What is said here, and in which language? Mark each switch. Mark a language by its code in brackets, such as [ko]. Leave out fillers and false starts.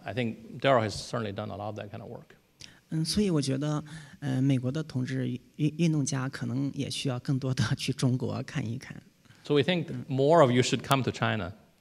[en] I think Daryl has certainly done a lot of that kind of work. [zh] 所以我觉得美国的同志运动家可能也需要更多的去中国看一看。 [en] So we think more of you should come to China.